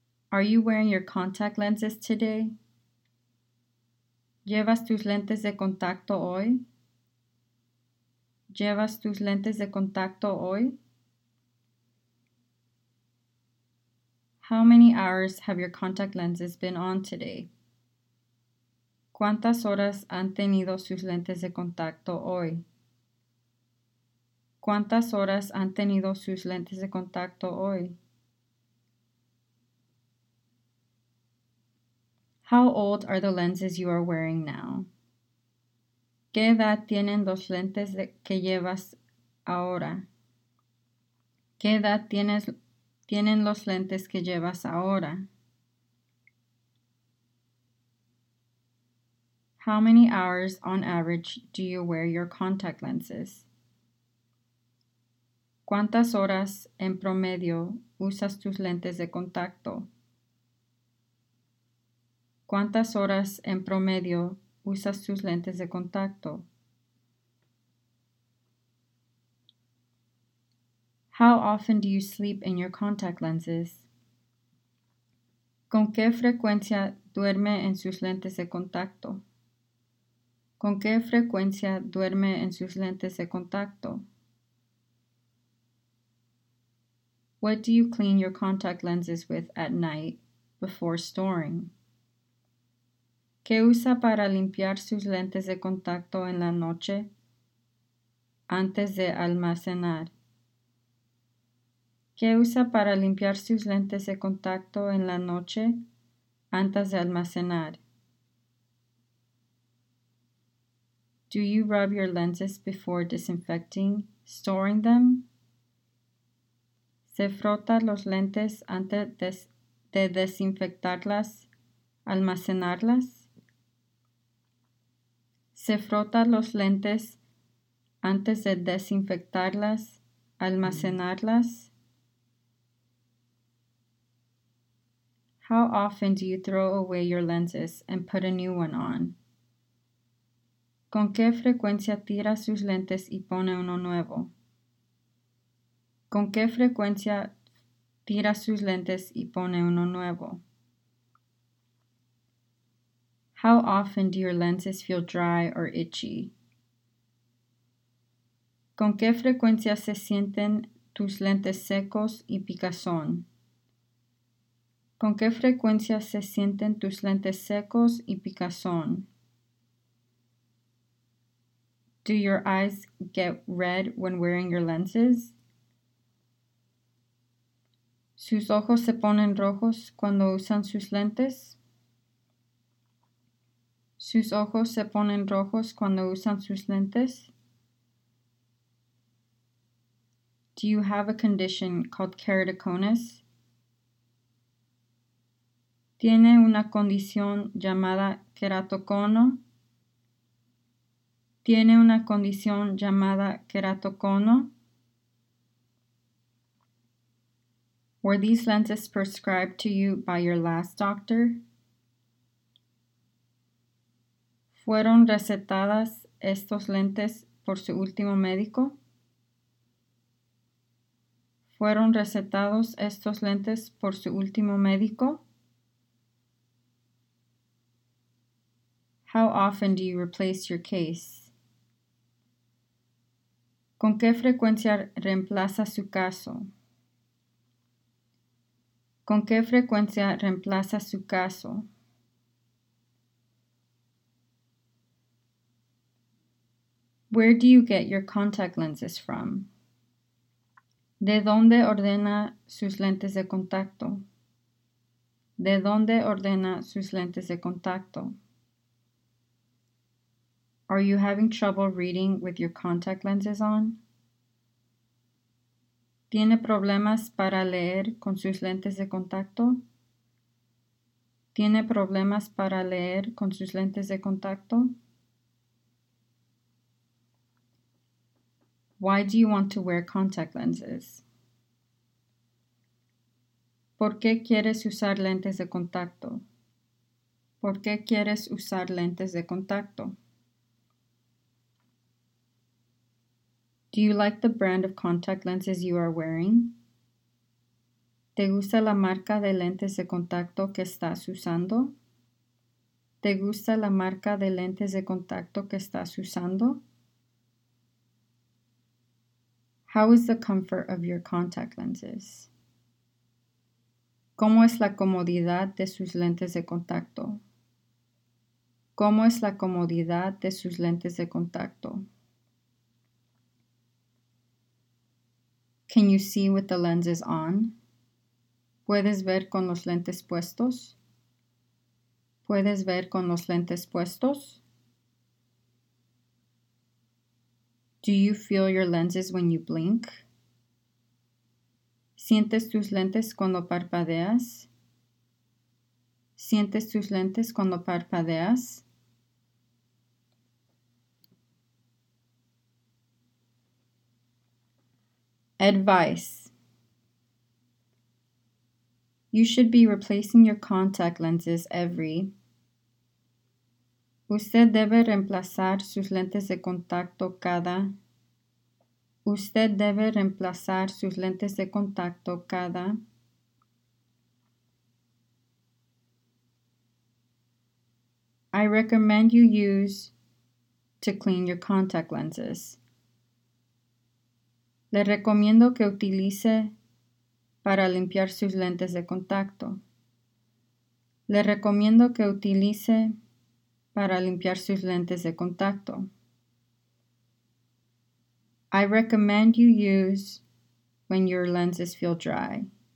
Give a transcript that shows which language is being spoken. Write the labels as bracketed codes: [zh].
[en] Are you wearing your contact lenses today? [es] ¿Llevas tus lentes de contacto hoy? ¿Llevas tus lentes de contacto hoy? [en] How many hours have your contact lenses been on today? [es] ¿Cuántas horas han tenido sus lentes de contacto hoy? ¿Cuántas horas han tenido sus lentes de contacto hoy? [en] How old are the lenses you are wearing now? [es] ¿Qué edad tienen los lentes que llevas ahora? ¿Qué edad tienen los lentes que llevas ahora? [en] How many hours on average do you wear your contact lenses? [es] ¿Cuántas horas en promedio usas tus lentes de contacto? ¿Cuántas horas en promedio usas tus lentes de contacto? [en] How often do you sleep in your contact lenses? [es] ¿Con qué frecuencia duerme en sus lentes de contacto? ¿Con qué frecuencia duerme en sus lentes de contacto? [en] What do you clean your contact lenses with at night before storing? [es] ¿Qué usa para limpiar sus lentes de contacto en la noche antes de almacenar? ¿Qué usa para limpiar sus lentes de contacto en la noche antes de almacenar? [en] Do you rub your lenses before disinfecting, storing them? [es] ¿Se frota los lentes antes de desinfectarlas, almacenarlas? ¿Se frota los lentes antes de desinfectarlas, almacenarlas? [en] How often do you throw away your lenses and put a new one on? [es] ¿Con qué frecuencia tira sus lentes y pone uno nuevo? ¿Con qué frecuencia tira sus lentes y pone uno nuevo? [en] How often do your lenses feel dry or itchy? [es] ¿Con qué frecuencia se sienten tus lentes secos y picazón? ¿Con qué frecuencia se sienten tus lentes secos y picazón? [en] Do your eyes get red when wearing your lenses? [es] ¿Sus ojos se ponen rojos cuando usan sus lentes? ¿Sus ojos se ponen rojos cuando usan sus lentes? [en] Do you have a condition called keratoconus? [es] ¿Tiene una condición llamada keratocono? ¿Tiene una condición llamada keratocono? [en] Were these lenses prescribed to you by your last doctor? [es] ¿Fueron recetadas estos lentes por su último médico? ¿Fueron recetados estos lentes por su último médico? [en] How often do you replace your case? [es] ¿Con qué frecuencia reemplaza su caso? ¿Con qué frecuencia reemplaza su caso? [en] Where do you get your contact lenses from? [es] ¿De dónde ordena sus lentes de contacto? ¿De dónde ordena sus lentes de contacto? [en] Are you having trouble reading with your contact lenses on? [es] ¿Tiene problemas para leer con sus lentes de contacto? ¿Tiene problemas para leer con sus lentes de contacto? [en] Why do you want to wear contact lenses? [es] ¿Por qué quieres usar lentes de contacto? ¿Por qué quieres usar lentes de contacto? [en] Do you like the brand of contact lenses you are wearing? [es] ¿Te gusta la marca de lentes de contacto que estás usando? ¿Te gusta la marca de lentes de contacto que estás usando? [en] How is the comfort of your contact lenses? [es] ¿Cómo es la comodidad de sus lentes de contacto? ¿Cómo es la comodidad de sus lentes de contacto? [en] Can you see with the lenses on? [es] ¿Puedes ver con los lentes puestos? ¿Puedes ver con los lentes puestos? [en] Do you feel your lenses when you blink? [es] ¿Sientes tus lentes cuando parpadeas? ¿Sientes tus lentes cuando parpadeas? [en] Advice. You should be replacing your contact lenses every. [es] Usted debe reemplazar sus lentes de contacto cada. Usted debe reemplazar sus lentes de contacto cada. [en] I recommend you use to clean your contact lenses. [es] Le recomiendo que utilice para limpiar sus lentes de contacto. Le recomiendo que utilice para limpiar sus lentes de contacto. [en] I recommend you use when your lenses feel dry.